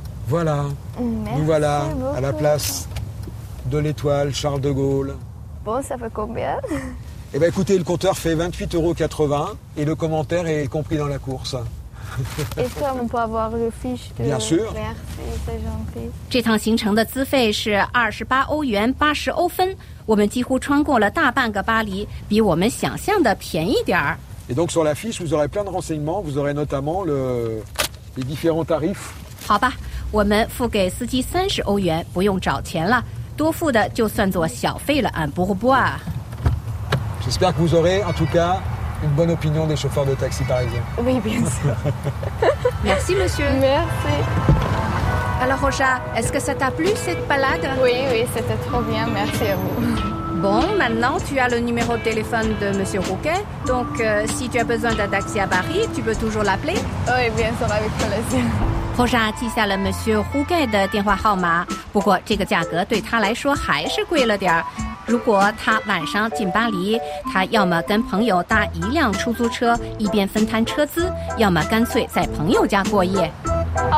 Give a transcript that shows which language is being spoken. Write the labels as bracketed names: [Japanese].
[French] Voilà Nous voilà à la place de l'étoile Charles de Gaulle Bon, ça fait combien? Eh bien écoutez, le compteur fait 28,80€ et le commentaire est compris dans la course Est-ce qu'on peut avoir le fiche de... Bien sûr Merci, c'est gentil [Chinese] 这趟行程的资费是28欧元80欧分我们几乎穿过了大半个巴黎比我们想象的便宜点儿 [French] Et donc sur la fiche, vous aurez plein de renseignements Vous aurez notamment les différents tarifs [Chinese] 好吧我们付给司机30欧元不用找钱了多付的就算作小费了 [French] un pourboire J'espère que vous aurez en tout cas une bonne opinion des chauffeurs de taxi parisiens Oui, bien sûr Merci monsieur Merci Alors Rocha, est-ce que ça t'a plu cette balade? Oui, oui, c'était trop bien, merci à vous. Bon, maintenant tu as le numéro de téléphone de Monsieur Rouquet. Donc, si tu as besoin d'un taxi à Paris, tu peux toujours l'appeler. Oui, bien sûr, avec plaisir. [Chinese] Rocha 记下了 Monsieur Rouquet 的电话号码。不过这个价格对他来说还是贵了点儿。如果他晚上进巴黎，他要么跟朋友搭一辆出租车，一边分摊车资，要么干脆在朋友家过夜。好